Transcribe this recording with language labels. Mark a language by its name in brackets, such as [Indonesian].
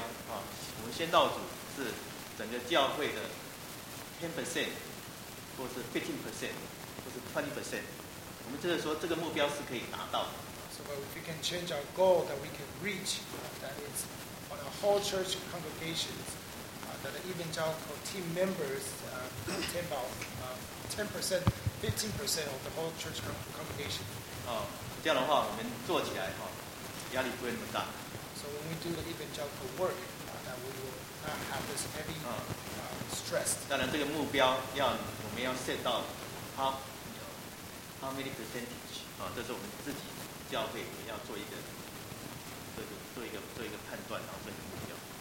[Chinese] 我们先到组是整个教会的10%，或是15%，或是20%，我们就是说这个目标是可以达到的。So [English] but if we can change our goal that we can reach, that is on a whole church congregations, that the evangelical team members attend about 10%, 15% of the whole church congregation. [Chinese] 这样的话我们做起来压力不会那么大。 [English] So when we do the evangelical work, that we will have this heavy stress. [Chinese] 当然，这个目标我们要 set 到 [English] how many percentage [Chinese] 啊，这是我们自己教会我们要做一个做一个判断，然后做一个目标。